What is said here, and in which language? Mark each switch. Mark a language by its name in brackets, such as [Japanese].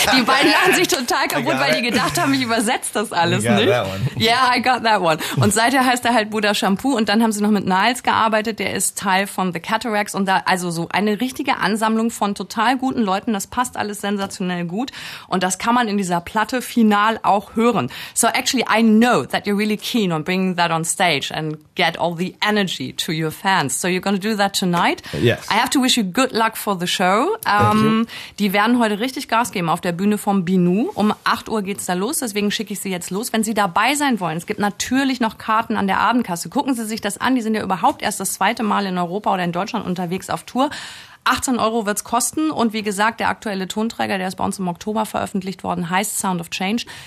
[German] Die beiden lachen sich total kaputt, weil die gedacht haben, ich übersetze das alles, nicht? [English] Yeah, I got that one. [German] Und seither heißt er halt Buddha Shampoo und dann haben sie noch mit Niles gearbeitet, der ist Teil von The Cataracts und da, also so eine richtige Ansammlung von total guten Leuten, das passt alles sensationell gut und das kann man in dieser Platte final auch hören. [English] So actually, I know that you're really keen on bringing that on stage and get all the energy to your fans. So you're going to do that tonight. Yes. I have to wish you good luck for the show. [German] Die werden heute richtig Gas geben auf der Bühne vom Binu. Um 8 Uhr geht's da los, deswegen schicke ich sie jetzt los. Wenn Sie dabei sein wollen, es gibt natürlich noch Karten an der Abendkasse. Gucken Sie sich das an. Die sind ja überhaupt erst das zweite Mal in Europa oder in Deutschland unterwegs auf Tour. 18 Euro wird's kosten und wie gesagt, der aktuelle Tonträger, der ist bei uns im Oktober veröffentlicht worden, heißt Sound of Change.